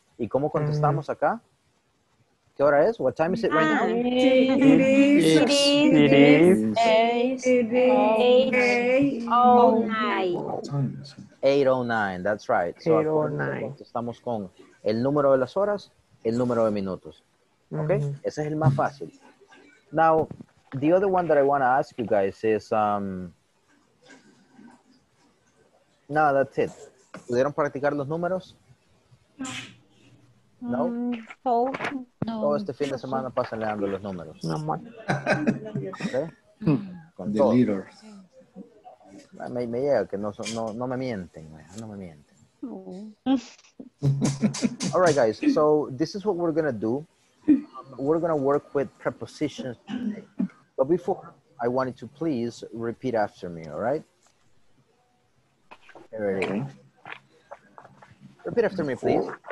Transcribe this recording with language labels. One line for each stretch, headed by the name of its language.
Spanish: ¿Y cómo contestamos acá? ¿Qué hora es?
English: What time is it right now? It is 8:09. That's right. So, 8:09.
Spanish: Estamos con el número de las horas, el número de minutos. Okay? Mm-hmm. Ese es el más fácil.
English: Now, the other one that I want to ask you guys is, no, that's it.
Spanish: ¿Pudieron practicar los números? No. No? No. Todo este fin de semana pasan leyendo los números. No,
English: okay. Con the todo. Leader.
Spanish: Me llega que no me mienten, no me mienten. No.
English: All right, guys. So, this is what we're going to do. We're going to work with prepositions today. But before, I wanted to please repeat after me, all right? Here it is. Repeat after me, please.